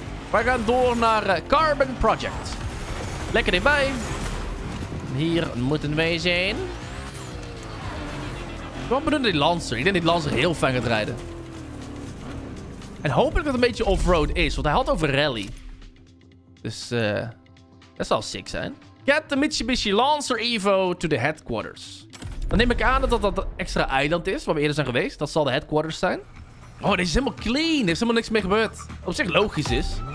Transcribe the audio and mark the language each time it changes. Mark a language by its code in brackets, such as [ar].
[nl] Wij gaan door naar Carbon Project. Lekker dichtbij. Hier moeten we zijn. Wat bedoel je die Lancer? Ik denk dat die Lancer heel fijn gaat rijden. En hopelijk dat het een beetje off-road is, want hij had over rally. Dus dat zal sick zijn. [en] Get the Mitsubishi Lancer Evo to the headquarters. [nl] Dan neem ik aan dat dat extra eiland is waar we eerder zijn geweest. Dat zal de headquarters zijn. Oh, deze is helemaal clean. Er is helemaal niks mee gebeurd. Op zich logisch is.